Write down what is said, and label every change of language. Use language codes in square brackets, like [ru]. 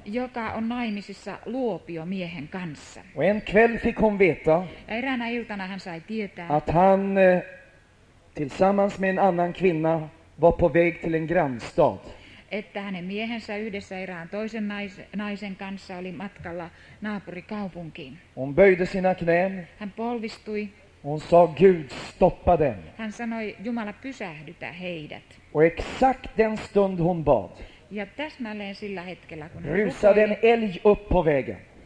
[fi] Joka on naimisissa luopio miehen kanssa. [sv] Och en kväll fick hon veta. [fi] Ja eräänä iltana hän sai tietää. [sv] Att han tillsammans med en annan kvinna var på väg till en grannstad. [fi] Että hänen miehensä yhdessä erään toisen naisen kanssa oli matkalla naapurikaupunkiin. [sv] Hon böjde sina knän. [fi] Hän polvistui. [sv] Hon sa, Gud, stoppa dem. [fi] Hän sanoi, Jumala, pysähdytä heidät. [sv] Och exakt den stund hon bad. [fi] Ja täsmälleen sillä hetkellä, kun [sv] rusade en älg upp på vägen.